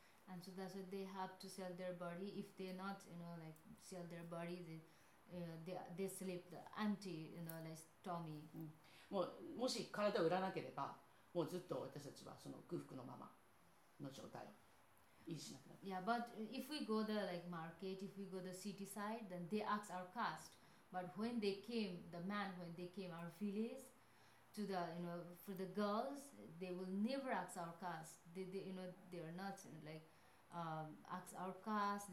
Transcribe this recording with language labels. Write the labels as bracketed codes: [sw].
[en] And so that's why they have to sell their body. If they not, you know, like sell their body, they sleep the empty, you know, like tummy. [ja] もし体を売らなければ、もうずっと私たちはその空腹のままの状態を維持しなくなる。 [en] Yeah, but if we go the like market, if we go the city side, then they ask our caste. But when they came, the man when they came our village to the you know for the girls, they will never ask our caste. They you know they are not you know, like ask our caste.